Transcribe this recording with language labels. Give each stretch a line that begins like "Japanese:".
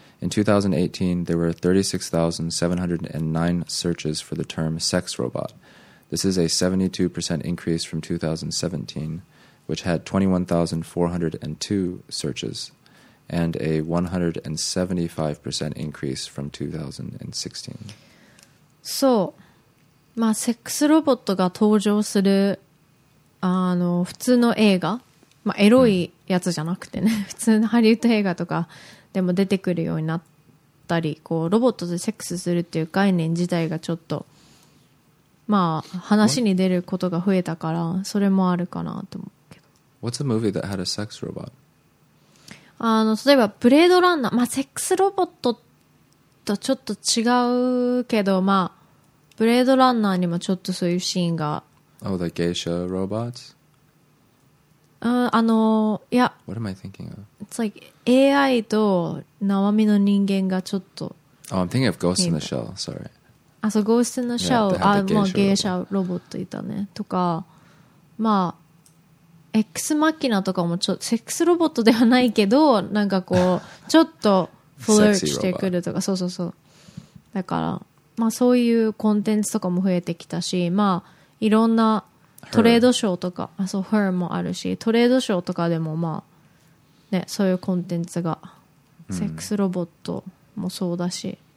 English: In 2018, there were 36,709 searches for the term sex robot. This is a 72% increase from 2017, which had 21,402 searches, and a 175% increase from 2016.
Japanese: そう、まあセックスロボットが登場する、あの普通の映画、まあエロいやつじゃなくてね、普通のハリウッド映画とかでも出てくるようになったり、こうロボットでセックスするっていう概念自体がちょっとまあ話に出ることが増えたから、それもあるかなと思うけど。
English: What's a movie that had a sex robot?
Japanese: あの例えばブレードランナー、まあセックスロボットとちょっと違うけど、まあブレードランナーにもちょっとそういうシーンが。
English: Oh, the geisha robots?
Japanese: あの、いや、
English: What am I thinking of? It's like
Japanese: AI と生身の人間がちょっと。
English: Oh, I'm thinking of Ghost in the Shell, sorry.
Japanese: あ、そう、Ghost in the Shell、
English: yeah,
Japanese: あ、まあ、ゲイシャロボットいたね。とか、まあ、X マキナとかもちょっと、セックスロボットではないけど、なんかこう、ちょっと、フルーツしてくるとか、そうそうそう。だから、まあ、そういうコンテンツとかも増えてきたし、まあ、いろんな、トレードショーとか、あ、そう、Her もあるし、トレードショーとかでもまあ、ね、そういうコンテンツが、セックスロボットもそうだし、